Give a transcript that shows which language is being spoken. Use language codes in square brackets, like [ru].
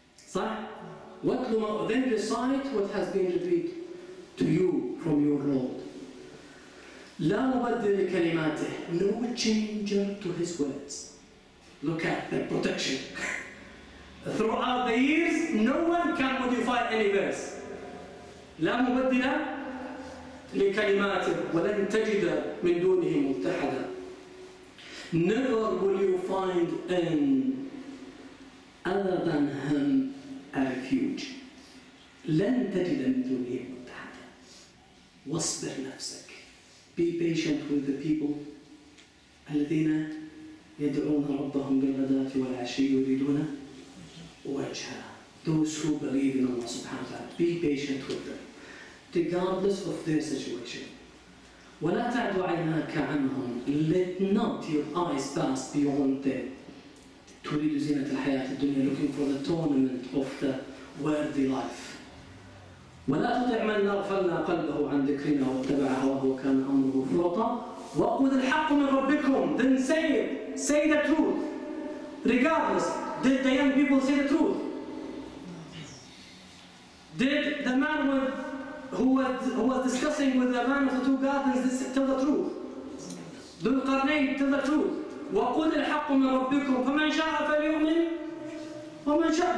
[en] صح؟ [ar] وَاتْلُ مَا أُوحِيَ إِلَيْكَ مِنْ رَبِّكَ. [en] Then recite what has been revealed to you from your Lord. [ar] لا مبدل لكلماته. [en] No changer to his words. Look at the protection. Throughout the years, no one can modify any verse. [ar] لا مبدل لكلماته ولن تجد من دونه ملتحدا. [en] Never will you find an other than him a refuge. [ar] لن تجد من دونه ملتحدا. واصبر نفسك. [en] Be patient with the people [ar] الذين يدعون ربهم بالغداة والعشي يريدون وجهه. [en] Those who believe in Allah subhanahu wa ta'ala, be patient with them, regardless of their situation. [ar] ولا تعد عيناك عنهم. [en] Let not your eyes pass beyond them. [ar] تريد زينة الحياة الدنيا, [en] looking for the tournament of the worthy life. [ar] ولا تطع من أغفلنا قلبه عن ذكرنا واتبع هواه وكان أمره فرطا. وأخذ الحق من ربكم. [en] Then say it, say the truth. Regardless, did the young people say the truth? Did the man who was discussing with the man of the two gardens this, tell the truth? Dhul Qarnayn, tell the truth. [ar] وَقُلِ الْحَقُّ مِنْ رَبِّكُمْ فَمَنْ شَاءَ فَلْيُؤْمِنْ وَمَنْ شَاءَ.